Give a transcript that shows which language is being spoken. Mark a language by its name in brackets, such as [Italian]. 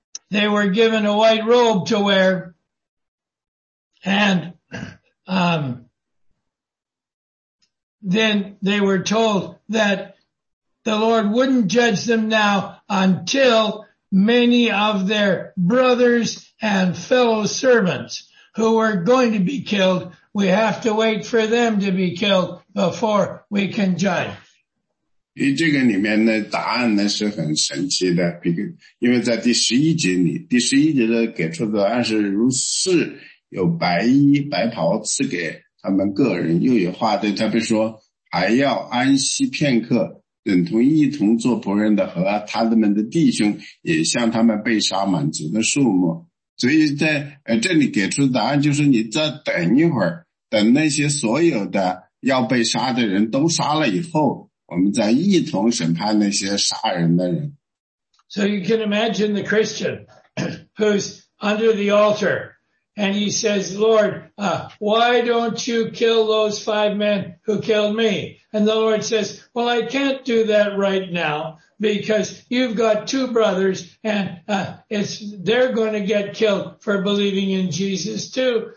[English] They were given a white robe to wear, and then they were told that the Lord wouldn't judge them now until many of their brothers and fellow servants who were going to be killed, we have to wait for them to be killed before we can judge. [Chinese] 因为这个里面呢，答案呢是很神奇的，因为在第十一节里，第十一节的给出的答案是如是，有白衣白袍赐给他们个人，又有话对他们说。还要安息片刻，等同一同做仆人的和他们的弟兄，也向他们被杀满足的数目。所以在这里给出的答案就是，你再等一会儿，等那些所有的要被杀的人都杀了以后，我们再一同审判那些杀人的人。 [English] So you can imagine the Christian who's under the altar. And he says, Lord, why don't you kill those five men who killed me? And the Lord says, well, I can't do that right now because you've got two brothers and, they're going to get killed for believing in Jesus too.